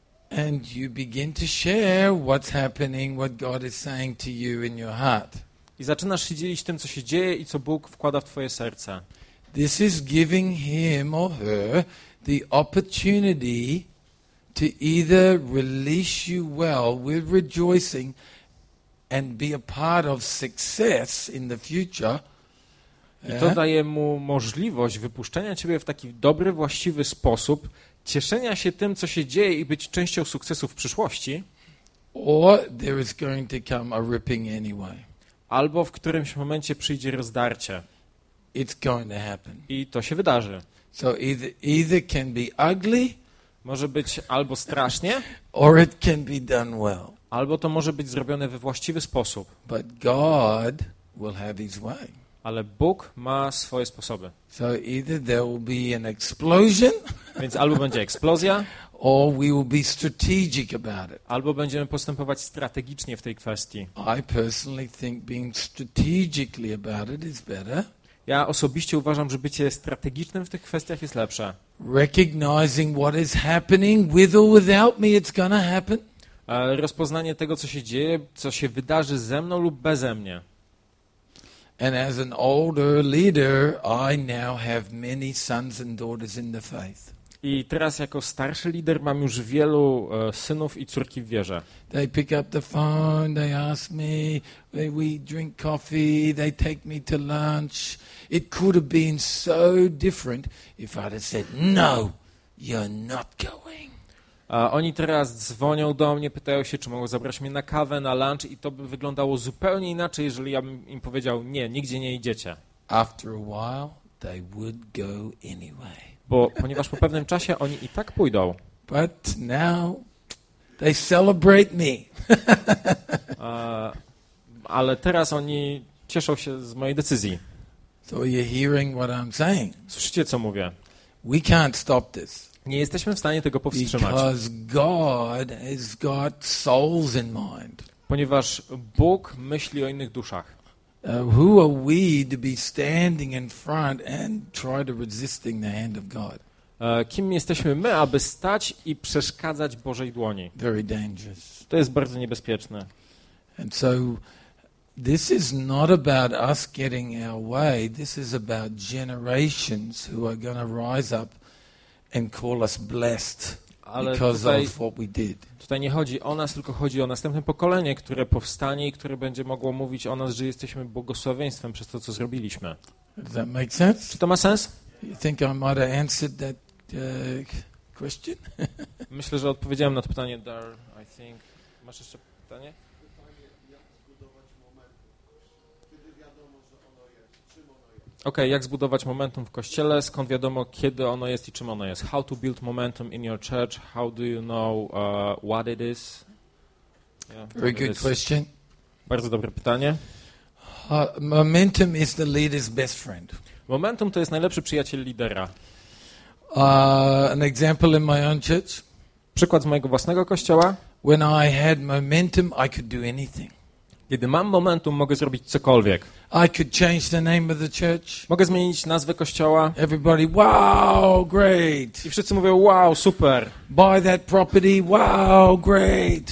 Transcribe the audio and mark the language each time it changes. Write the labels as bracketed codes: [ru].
[en] And you begin to share what's happening, what God is saying to you in your heart. [pl] I zaczynasz się dzielić tym, co się dzieje i co Bóg wkłada w twoje serce. [en] This is giving him or her the opportunity to either release you well with rejoicing and be a part of success in the future. [pl] I to daje mu możliwość wypuszczenia ciebie w taki dobry, właściwy sposób, cieszenia się tym, co się dzieje i być częścią sukcesu w przyszłości. [en] Or there is going to come a ripping anyway. [pl] Albo w którymś momencie przyjdzie rozdarcie. [en] It's going to happen. [pl] I to się wydarzy. [en] So either can be ugly, [pl] może być albo strasznie, [en] or it can be done well. [pl] Albo to może być zrobione we właściwy sposób. [en] But God will have his way. [pl] Ale Bóg ma swoje sposoby. [en] So either there will be an explosion, [pl] więc albo będzie eksplozja, [en] or we will be strategic about it. [pl] Albo będziemy postępować strategicznie w tej kwestii. [en] I personally think being strategically about it is better. [pl] Ja osobiście uważam, że bycie strategicznym w tych kwestiach jest lepsze. [en] Recognizing what is happening, with or without me, it's gonna happen. [pl] Rozpoznanie tego, co się dzieje, co się wydarzy ze mną lub beze mnie. [en] And as an older leader, I now have many sons and daughters in the faith. [pl] I teraz jako starszy lider mam już wielu synów i córki w wierze. [en] They pick up the phone, they ask me, we drink coffee, they take me to lunch. It could have been so different if I'd have said, no, you're not going. [pl] Oni teraz dzwonią do mnie, pytają się, czy mogą zabrać mnie na kawę, na lunch i to by wyglądało zupełnie inaczej, jeżeli ja bym im powiedział, nie, nigdzie nie idziecie. [en] After a while, they would go anyway. [pl] Bo ponieważ po pewnym czasie oni i tak pójdą. [en] But now they celebrate me. [pl] Ale teraz oni cieszą się z mojej decyzji. [en] So you're hearing what I'm saying. [pl] Słyszycie, co mówię? [en] We can't stop this. [pl] Nie jesteśmy w stanie tego powstrzymać. [en] Because God has got souls in mind. [pl] Ponieważ Bóg myśli o innych duszach. [en] Who are we to be standing in front and try to resisting the hand of God? [pl] Kim jesteśmy my, aby stać i przeszkadzać Bożej dłoni? [en] Very dangerous. [pl] To jest bardzo niebezpieczne. [en] And so this is not about us getting our way. This is about generations who are going to rise up and call us blessed. [pl] Ale tutaj nie chodzi o nas, tylko chodzi o następne pokolenie, które powstanie i które będzie mogło mówić o nas, że jesteśmy błogosławieństwem przez to, co zrobiliśmy. [en] Does that make sense? [pl] Czy to ma sens? [en] You think I might have answered that question? [pl] Myślę, że odpowiedziałem na to pytanie, Dar, [en] I think. [pl] Masz jeszcze pytanie? Pytanie, jak zbudować momentum, kiedy wiadomo, że ono jest, czym ono jest? Okej, jak zbudować momentum w kościele, skąd wiadomo, kiedy ono jest i czym ono jest? [en] How to build momentum in your church? How do you know what it is? Yeah, very good question. [pl] Bardzo dobre pytanie. [en] Momentum is the leader's best friend. [pl] Momentum to jest najlepszy przyjaciel lidera. [en] An example in my own church. [pl] Przykład z mojego własnego kościoła. [en] When I had momentum, I could do anything. [pl] Kiedy mam momentum, mogę zrobić cokolwiek. [en] I could change the name of the church. [pl] Mogę zmienić nazwę kościoła. [en] Everybody, wow, great. [pl] I wszyscy mówią, wow, super. [en] Buy that property, wow, great.